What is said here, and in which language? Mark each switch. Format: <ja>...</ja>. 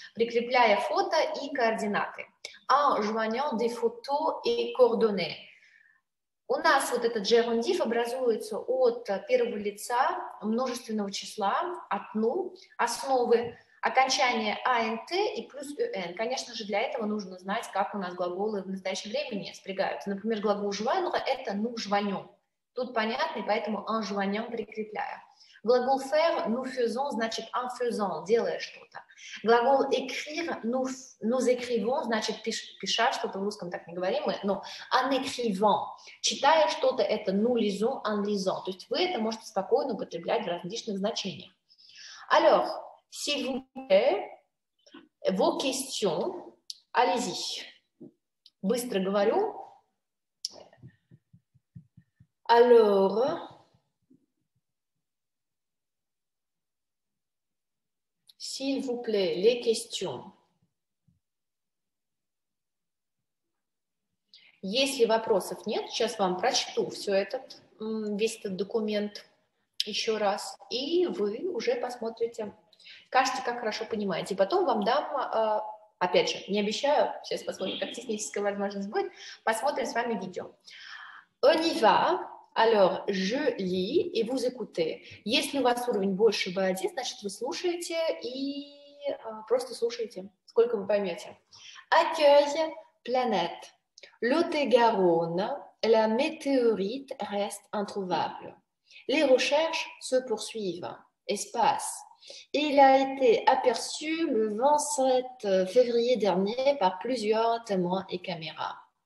<ru>Прикрепляя фото и координаты.</ru> <fr>En joignant des photos et coordonnées.</fr> <ru>У нас вот этот gerundif образуется от первого лица множественного числа, от ну, основы, окончание ant и плюс un. Конечно же, для этого нужно знать, как у нас глаголы в настоящем времени спрягаются. Например, глагол joindre – это</ru> <fr>«nous joignons».</fr> <ru>Тут понятно, и поэтому</ru> <fr>«en joignant»</fr> <ru>прикрепляю. Глагол «faire» –</ru> <fr>«nous faisons»</fr> <ru>значит</ru> <fr>«en faisant»,</fr> <ru>делая что-то. Глагол «écrire» –</ru> <fr>«nous écrivons»</fr> <ru>значит «пиша», что-то в русском так не говорим мы, но</ru> <fr>«en écrivant»,</fr> <ru>читая что-то – это</ru> <fr>«nous lisons», «en lisant».</fr> <ru>То есть вы это можете спокойно употреблять в различных значениях.</ru> <fr>Alors, s'il vous plaît, vos questions, allez-y.</fr> <ru>Быстро говорю.</ru> <fr>Alors, s'il vous plaît, les questions.</fr> <ru>Если вопросов нет, сейчас вам прочту все этот, весь этот документ еще раз, и вы уже посмотрите, кажется, как хорошо понимаете. Потом вам дам Опять же, не обещаю, сейчас посмотрим, как техническая возможность будет. Посмотрим с вами видео.</ru> <fr>On y va. Alors, je lis et vous écoutez.</fr> <ru>Если у вас уровень больше B1, значит, вы слушаете и просто слушаете, сколько вы поймете.</ru> <fr>Accueil, planète. Lot-et-Garonne, la météorite reste introuvable. Les recherches se poursuivent. Espace. Il a été aperçu le 27 février dernier par plusieurs témoins et caméras.</fr>